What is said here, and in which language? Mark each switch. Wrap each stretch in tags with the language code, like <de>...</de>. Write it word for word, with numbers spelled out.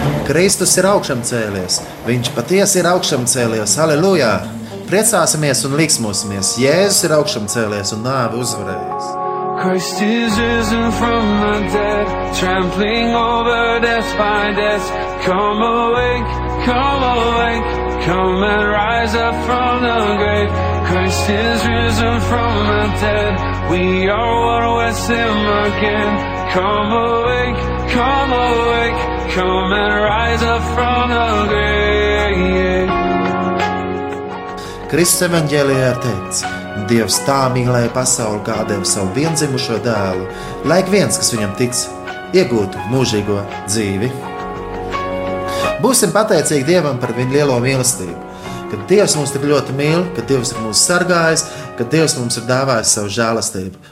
<lv>Kristus ir augšām cēlies, viņš patiesi ir augšām cēlies, halleluja! Priecāsimies un liksmosimies, Jēzus ir augšām cēlies un nāvi uzvarējis.</lv> <en>Christ is risen from the dead, trampling over death by death. Come awake, come awake, come and rise up from the grave. Christ is risen from the dead, we are one with him again. Come awake, come awake. Come and rise up from the grave.</en> <lv>Kristus evaņģēlijā ir teikts, Dievs tā mīlēja pasauli, kā deva savu vienzimušo dēlu, lai ik viens, kas viņam tic, iegūtu mūžīgo dzīvi. Būsim pateicīgi Dievam par viņu lielo mīlestību, ka Dievs mums tik ļoti mīl, ka Dievs ir mūs sargājis, ka Dievs mums ir dāvājis savu žēlastību.</lv>